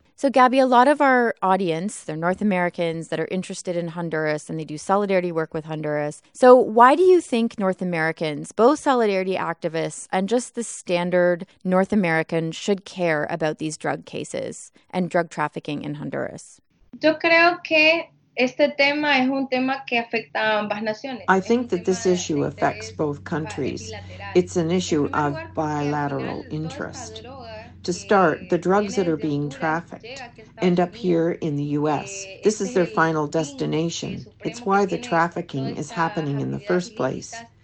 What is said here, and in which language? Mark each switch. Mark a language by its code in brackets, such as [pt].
[en] So, Gabby, a lot of our audience, they're North Americans that are interested in Honduras and they do solidarity work with Honduras. So why do you think North Americans, both solidarity activists and just the standard North American, should care about these drug cases and drug trafficking in Honduras? [es] Yo creo que este tema es un tema que afecta a ambas naciones. [en] I think that this issue affects both countries. It's an issue of bilateral interest. To start, the drugs that are being trafficked end up here in the U.S. This is their final destination. It's why the trafficking is happening in the first place.